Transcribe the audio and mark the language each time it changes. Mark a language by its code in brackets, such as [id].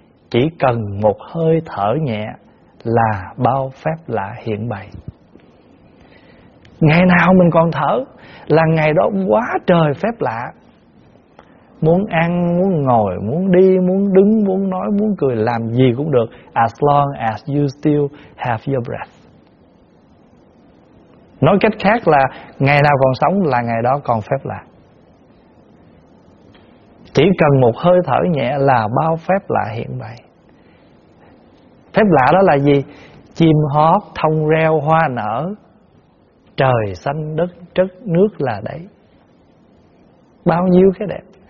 [vi] Chỉ cần một hơi thở nhẹ là bao phép lạ hiện bày. Ngày nào mình còn thở là ngày đó quá trời phép lạ. Muốn ăn, muốn ngồi, muốn đi, muốn đứng, muốn nói, muốn cười, làm gì cũng được. [en] As long as you still have your breath. [vi] Nói cách khác là ngày nào còn sống là ngày đó còn phép lạ. Chỉ cần một hơi thở nhẹ là bao phép lạ hiện bày. Phép lạ đó là gì? Chim hót, thông reo, hoa nở, trời xanh, đất trất, nước là đấy. Bao nhiêu cái đẹp.